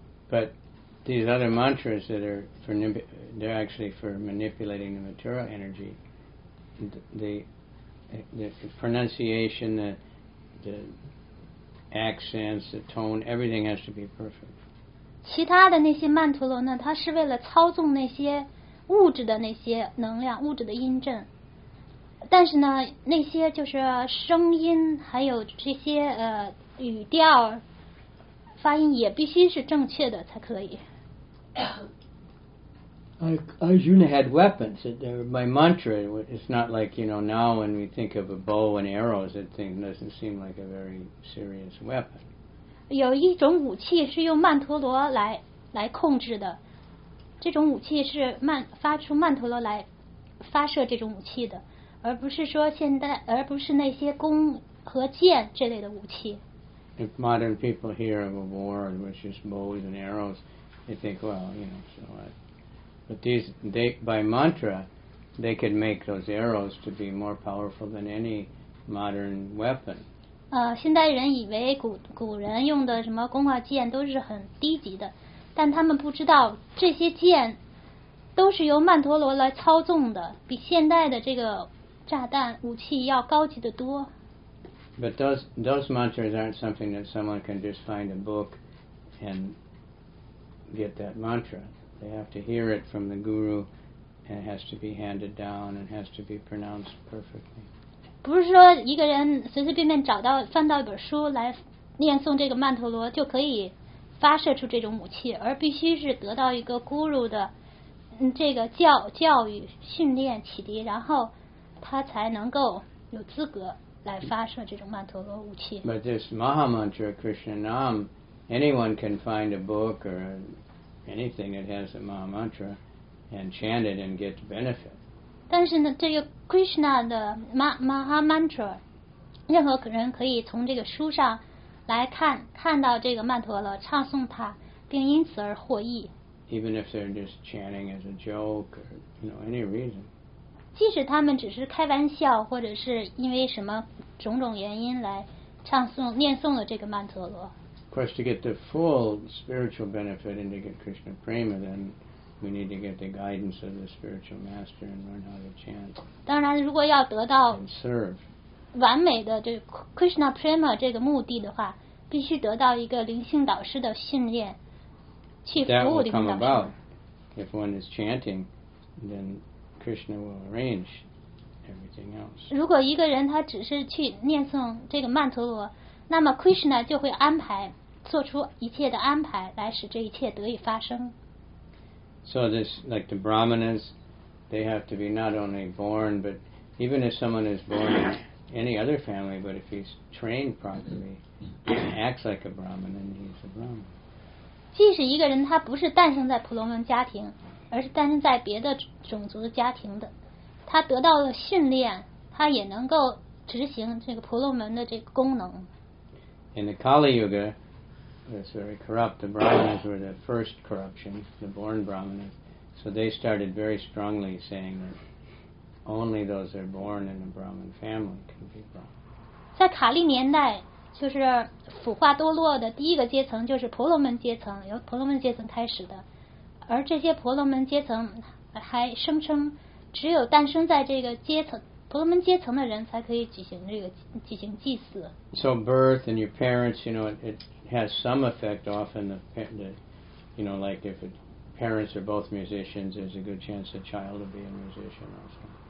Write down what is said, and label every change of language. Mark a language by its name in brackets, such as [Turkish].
[English] But these other mantras that are for, they're actually for manipulating the material energy the pronunciation the accents the tone everything has to be perfect [Chinese] 其他的那些曼陀罗呢它是为了操纵那些物质的那些能量物质的音振但是呢那些就是声音还有这些语调发音也必须是正确的才可以 [English] Arjuna had weapons my mantra it's not like you know now when we think of a bow and arrows that thing doesn't seem like a very serious weapon [Chinese] 有一种武器是用曼陀罗来控制的这种武器是发出曼陀罗来发射这种武器的而不是说现代而不是那些弓和箭这类的武器 [English] If modern people hear of a war which is bows and arrows they think well you know so what but these they by mantra they could make those arrows to be more powerful than any modern weapon [Chinese] 现代人以为古人用的什么弓啊箭都是很低级的但他们不知道这些箭都是由曼陀罗来操纵的比现代的这个炸弹武器要高级的多 [English] But those mantras aren't something that someone can just find a book and get that mantra they have to hear it from the guru and it has to be handed down and has to be pronounced perfectly [Chinese] 不是说一个人随随便便找到翻到一本书来念诵这个曼陀罗就可以发射出这种武器，而必须是得到一个guru的这个教育训练启迪，然后他才能够有资格来发射这种曼陀罗武器。 [English] But this Maha Mantra Krishna Nam, anyone can find a book or anything that has a Maha Mantra and chant it and get the benefit. [Chinese] 但是呢，这个 Krishna 的 Maha Mantra, 任何人可以从这个书上来看到这个曼陀罗，唱诵它，并因此而获益。 [English] Even if they're just chanting as a joke or, you know, any reason. [Chinese] 即使他们只是开玩笑，或者是因为什么种种原因来唱诵、念诵了这个曼陀罗。 [English] Of course, to get the full spiritual benefit and to get Krishna Prema, then we need to get the guidance of the spiritual master and learn how to chant. [Chinese] 当然，如果要得到 [English] and serve. [Chinese] 完美的这 Krishna Prema 这个目的的话，必须得到一个灵性导师的训练，去服务灵性导师。 [English] That will come about if one is chanting, then Krishna will arrange everything else. [Chinese] 如果一个人他只是去念诵这个曼陀罗，那么 Krishna 就会安排做出一切的安排，来使这一切得以发生。 [English] So this like the Brahmanas, they have to be not only born, but even if someone is born. any other family, but if he's trained properly, acts like a Brahmin, then he's a Brahmin. [Chinese] 即使一个人他不是诞生在婆罗门家庭，而是诞生在别的种族的家庭的，他得到了训练，他也能够执行这个婆罗门的这个功能。 [English] In the Kali Yuga, that's very corrupt. The Brahmins were the first corruption, the born Brahmins. So they started very strongly saying that. Only those that are born in a Brahmin family can be Brahmin. [Chinese] 在卡利年代，就是腐化堕落的第一个阶层就是婆罗门阶层，由婆罗门阶层开始的。而这些婆罗门阶层还声称，只有诞生在这个阶层婆罗门阶层的人才可以举行祭祀。 [English] So birth and your parents, you know, it has some effect. Often the, you know, like if it, parents are both musicians, there's a good chance a child will be a musician also.